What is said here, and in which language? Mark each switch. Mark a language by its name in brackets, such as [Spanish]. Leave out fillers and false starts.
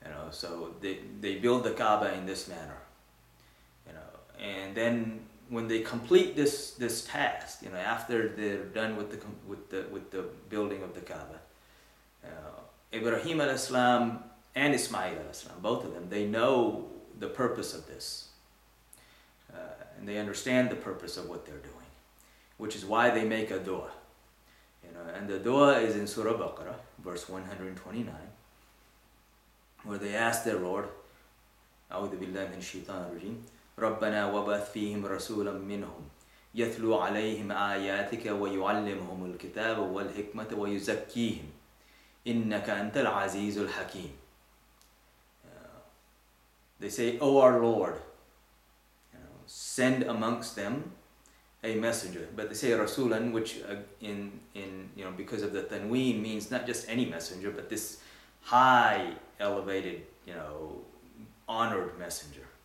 [English] So they build the Kaaba in this manner. You know, and then when they complete this task, you know, after they're done with the building of the Kaaba, Ibrahim al-Islam and Ismail al-Islam, both of them, they know the purpose of this. And they understand the purpose of what they're doing, which is why they make a dua. You know, and the dua is in Surah Baqarah, verse 129, where they ask their Lord, [Arabic] أَعُوذُ بِاللَّهِ مِنْ شَيْطَانِ الرَّجِيمِ رَبَّنَا وَبَثْ فِيهِمْ رَسُولًا مِّنْهُمْ يَتْلُوا عَلَيْهِمْ آيَاتِكَ وَيُعَلِّمْهُمُ الْكِتَابَ وَالْحِكْمَةَ وَيُزَكِّيهِمْ إِنَّكَ أَنْتَ الْعَزِيزُ الْحَكِيمُ. [English] They say, O our Lord, you know, send amongst them a messenger. But they say Rasulan, which in you know, because of the Tanween, means not just any messenger, but this high, elevated, you know, honored messenger.